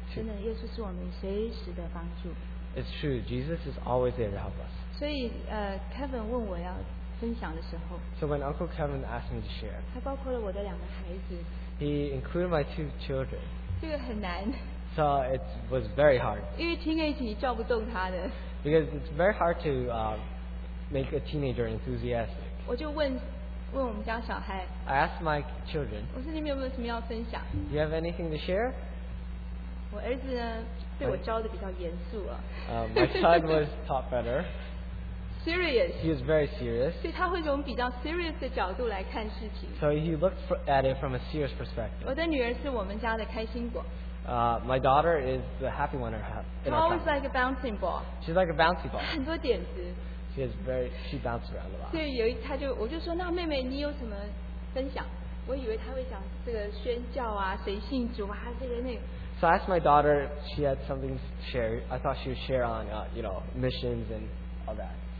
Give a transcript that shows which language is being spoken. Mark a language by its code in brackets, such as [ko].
[zh] 真的,耶稣是我们随时的帮助。 [en] It's true, Jesus is always there to help us. [zh] 所以, Kevin 问我要分享的时候, [en] so when Uncle Kevin asked me to share, [zh] 他包括了我的两个孩子, [en] he included my two children. [zh] 这个很难, [en] so it was very hard. [zh] 因为teenage你叫不动他的, [en] because it's very hard to make a teenager enthusiastic. [zh] 我就问我们家小孩, [en] I asked my children, [zh] 我说你们有没有什么要分享? [en] Do you have anything to share? [zh] 我儿子呢, [en] my son was taught better. Serious. He is very serious. So he looked at it from a serious perspective. My daughter is the happy one. Always like a bouncing ball. She's like a bouncy ball. [zh] 很多点子. [en] She bounces around a lot. [zh] 所以有一,他就,我就说,那妹妹,你有什么分享? 我以为他会讲这个宣教啊,谁信主啊,这个那个。 [en] So I asked my daughter if she had something to share. I thought she would share on, you know, missions and all that.